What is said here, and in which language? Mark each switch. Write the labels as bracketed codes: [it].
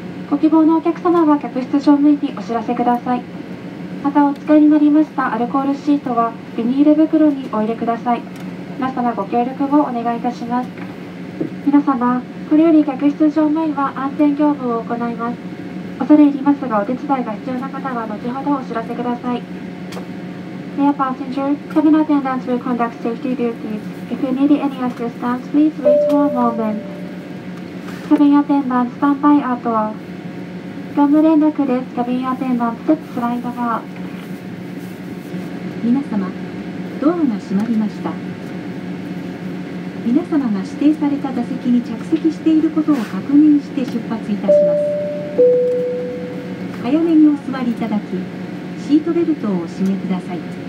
[ja] ご希望のお客様は客室乗務員にお知らせください。またお使いになりましたアルコールシートはビニール袋にお入れください。皆様ご協力をお願いいたします。皆様、これより客室乗務員は安全業務を行います。恐れ入りますが、お手伝いが必要な方は後ほどお知らせください。 [en] Dear passenger, cabin attendants will conduct safety duties. If you need any assistance, please wait for a moment. Cabin attendants, stand by at all. [ja] 業務連絡です。 [en] Cabin attendants, step [ja] スライド側。皆様、ドアが閉まりました。皆様が指定された座席に着席していることを確認して出発いたします。早めにお座りいただき、シートベルトをお締めください。